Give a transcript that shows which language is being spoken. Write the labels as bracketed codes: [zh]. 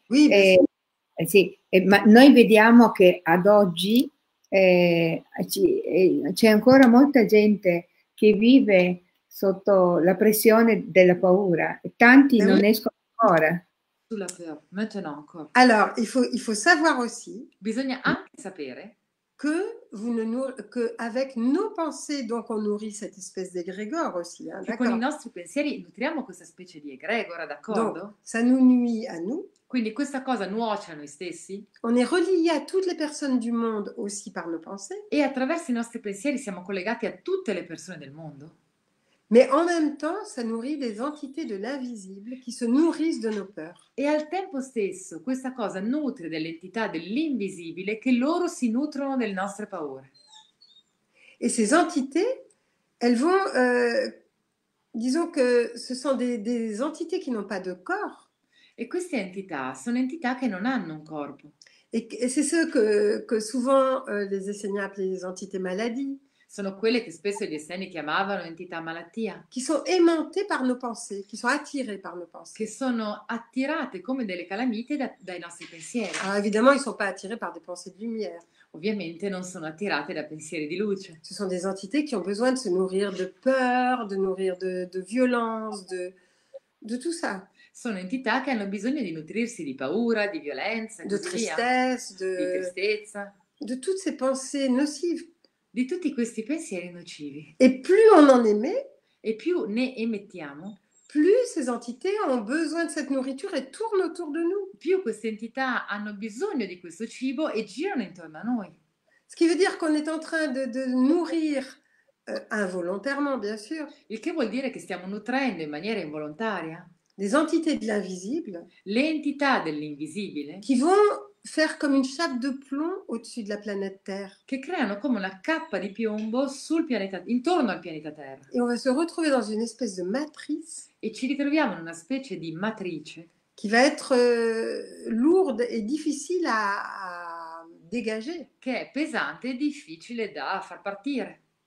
[fr] Oui, [it] ma noi vediamo che ad oggi c'è ancora molta gente che vive sotto la pressione della paura. Tanti non escono ancora. [fr] Sulla peur, maintenant encore. Alors, il faut savoir aussi. [it] Bisogna anche sapere [fr] que vous ne nous, que avec nos pensées donc on nourrit cette espèce d'égrégore aussi, hein, d'accord. [it] Con i nostri pensieri nutriamo questa specie di egregora, d'accordo? [fr] Donc, ça nous nuit à nous. [it] Quindi questa cosa nuoce a noi stessi. [fr] On est relié à toutes les personnes du monde aussi par nos pensées. [it] E attraverso i nostri pensieri siamo collegati a tutte le persone del mondo. [fr] Mais en même temps, ça nourrit des entités de l'invisible qui se nourrissent de nos peurs. [it] E al tempo stesso, questa cosa nutre delle entità dell'invisibile che loro si nutrono delle nostre paure. [fr] Et ces entités, elles vont, disons que ce sont des entités qui n'ont pas de corps. [it] E queste entità sono entità che non hanno un corpo. [fr] Et c'est ce que souvent les Esséniens appellent les entités maladies. [it] sono quelle che spesso gli esseni chiamavano entità malattia. Che sono aimantate [fr] par nos pensées, [it] che sono attirate par nos pensées. Che sono attirate come delle calamite dai nostri pensieri. [fr] Ah, [it] evidentemente, [fr] ils sont pas attirés par des pensées de lumière. [it] Ovviamente non sono attirate da pensieri di luce. [fr] Ce sont des entités qui ont besoin de se nourrir de peur, de nourrir de violence, de tout ça. [it] Sono entità che hanno bisogno di nutrirsi di paura, di violenza, [fr] de tristesse, [it] di tristezza. [fr] De toutes ces pensées nocives. [it] Di tutti questi pensieri nocivi. [fr] Et plus on en émet, [it] e più ne emettiamo, [fr] plus ces entités ont besoin de cette nourriture et tournent autour de nous. [it] Più queste entità hanno bisogno di questo cibo e girano intorno a noi. [fr] Ce qui veut dire qu'on est en train de nourrir involontairement, bien sûr. [it] Il che vuol dire che stiamo nutrendo in maniera involontaria. [fr] Des entités de l'invisible. [it] Le entità dell'invisibile. [fr] Qui vont faire comme une chape de plomb au-dessus de la planète Terre. [it] Che creano come una cappa di piombo sul pianeta, intorno al pianeta Terra. [fr] Et on va se retrouver dans une espèce de matrice. [it] E ci ritroviamo in una specie di matrice. [fr] Qui va être lourde et difficile à dégager. [it] Che è pesante e difficile da far partire.